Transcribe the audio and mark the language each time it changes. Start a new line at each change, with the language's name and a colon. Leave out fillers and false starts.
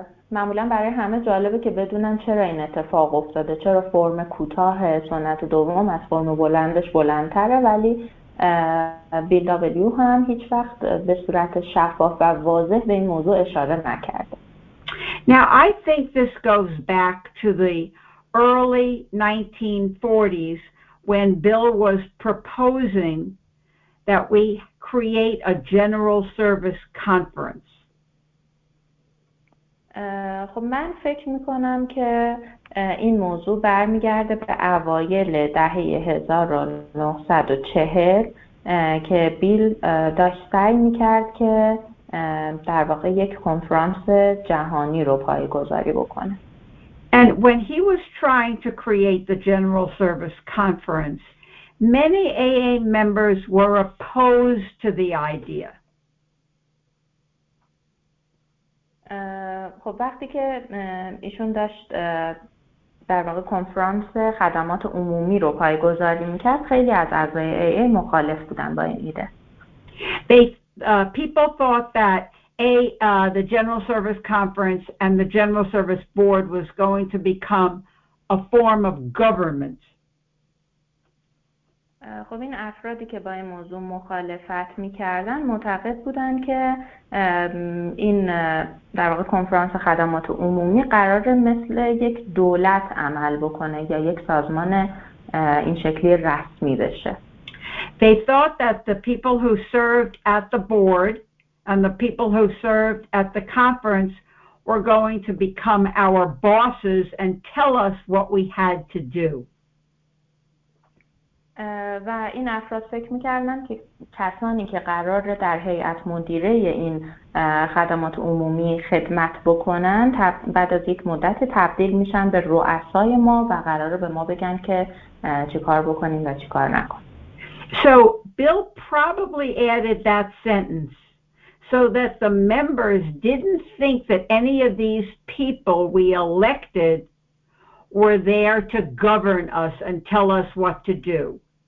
Persian: معمولاً برای همه جالبه که بدونن چرا این اتفاق افتاده، چرا فرم کوتاه سنت دوم از فرم بلندش بلندتره، ولی بیل دابلیو هم هیچ وقت به صورت شفاف و واضح به این موضوع اشاره نکرده.
English: Now, I think this goes back to the early 1940s when Bill was proposing that we create a general service conference.
Persian: خب من فکر میکنم که این موضوع برمیگرده به اوایل دهه 1940 که بیل داشت سعی میکرد که در واقع یک کنفرانس جهانی رو پایه‌گذاری بکنه.
English: And when he was trying to create the General Service Conference, many AA members were opposed to the idea.
Persian: خب وقتی که ایشون داشت در واقع کنفرانس خدمات عمومی رو پایه‌گذاری می‌کرد، خیلی از اعضای AA مخالف بودن با این ایده.
English: People thought that the General Service Conference and the General Service Board was going to become a form of government.
Persian: خب این افرادی که با این موضوع مخالفت می‌کردن معتقد بودند که این در واقع کنفرانس خدمات عمومی قرار مثل یک دولت عمل بکنه یا یک سازمان این شکلی رسمی بشه.
English: They thought that the people who served at the board and the people who served at the conference were going to become our bosses and tell us what we had to do.
Persian: و این افراد فکر میکردن که کسانی که قراره در هیئت مدیره این خدمات عمومی خدمت بکنن بعد از یک مدت تبدیل میشن به رؤسای ما و قراره به ما بگن که چی کار بکنیم و چی کار نکنیم.
English: So Bill probably added that sentence so that the members didn't think that any of these people we elected were there to govern us and tell us what to do.